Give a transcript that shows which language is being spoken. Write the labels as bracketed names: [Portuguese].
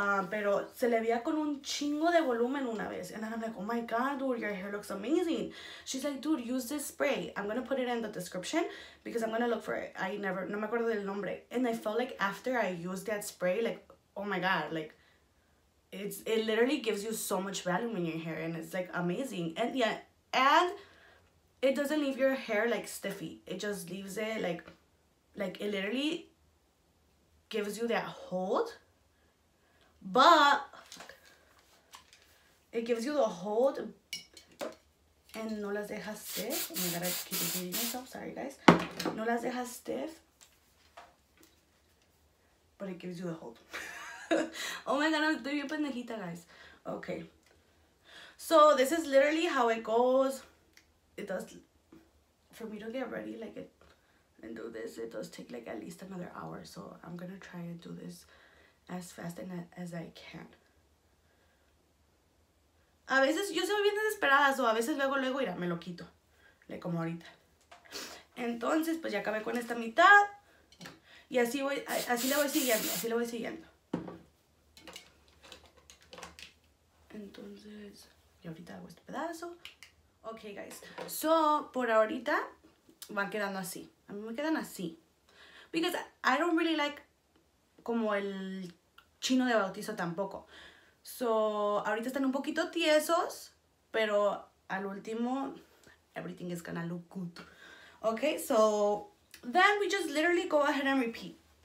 [Spanish] Pero se le veía con un chingo de volumen una vez. [English] And then I'm like, oh my God, dude, your hair looks amazing. She's like, dude, use this spray. I'm going to put it in the description because I'm going to look for it. [Spanish] No me acuerdo del nombre. [English] And I felt like after I used that spray, like, oh my God, like, it literally gives you so much volume in your hair. And it's, like, amazing. And yeah, and it doesn't leave your hair, like, stiffy. It just leaves it, like, it literally gives you that hold. But it gives you the hold and [Spanish] no las deja [English] stiff. Oh my God, I keep repeating myself. Sorry, guys. [Spanish] No las deja [English] stiff. But it gives you the hold. Oh my God, I'm doing a pendejita, guys. Okay. So this is literally how it goes. It does, for me to get ready like it and do this, it does take like at least another hour. So I'm gonna try and do this as fast as I can. [Spanish] A veces yo soy bien desesperada, o a veces luego, luego, mira, me lo quito. Le como ahorita. Entonces, pues ya acabé con esta mitad. Y así voy, así la voy siguiendo, así la voy siguiendo. Entonces, y ahorita hago este pedazo. [English] Ok, guys. [Spanish] So, por ahorita, van quedando así. A mí me quedan así. [English] Because I don't really like [Spanish] como el chino de bautizo tampoco. So, ahorita están un poquito tiesos, pero al último, [English] everything is gonna look good. Ok, so, then we just literally go ahead and repeat.